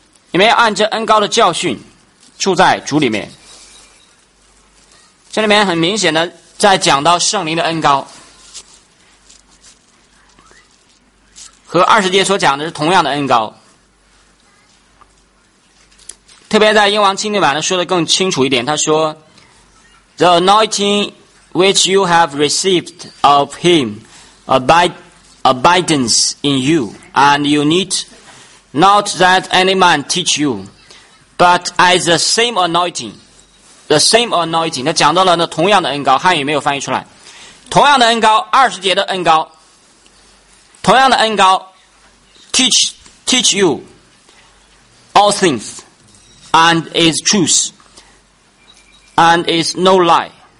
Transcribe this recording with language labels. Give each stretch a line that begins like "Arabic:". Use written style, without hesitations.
Chinese: 你们要按这恩膏的教训住在主里面。这里面很明显的在讲到圣灵的恩膏，和二十节所讲的是同样的恩膏。特别在英王钦定版的说的更清楚一点，他说
English: The anointing which you have received of him abides in you, and you need not that any man teach you, but as the same anointing, the same anointing.
Chinese: 他讲到了那同样的恩膏，汉语没有翻译出来。同样的恩膏，二十节的恩膏，同样的恩膏
English: teach you all things, and is truth, and is no lie.